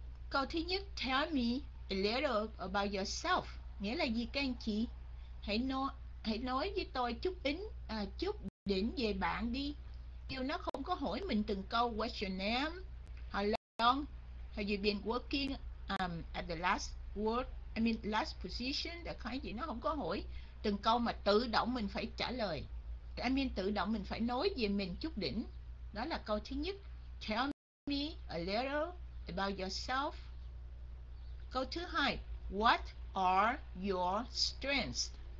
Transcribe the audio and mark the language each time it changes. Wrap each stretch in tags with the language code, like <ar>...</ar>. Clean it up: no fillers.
<vi>Câu thứ nhất,</vi> <en>tell me a little about yourself.</en> <vi>Nghĩa là gì các anh chị? Hãy nói với tôi chút đỉnh về bạn đi. Điều nó không có hỏi mình từng câu.</vi> <en>What's your name? How long have you been working at the last work? I mean last position.</en> <vi>Các anh chị, nó không có hỏi từng câu mà tự động mình phải trả lời.</vi> <en>I mean</en> <vi>tự động mình phải nói về mình chút đỉnh. Đó là câu thứ nhất.</vi> <en>Tell me a little about yourself.</en> <vi>Câu thứ hai,</vi> <en>what are your strengths?</en>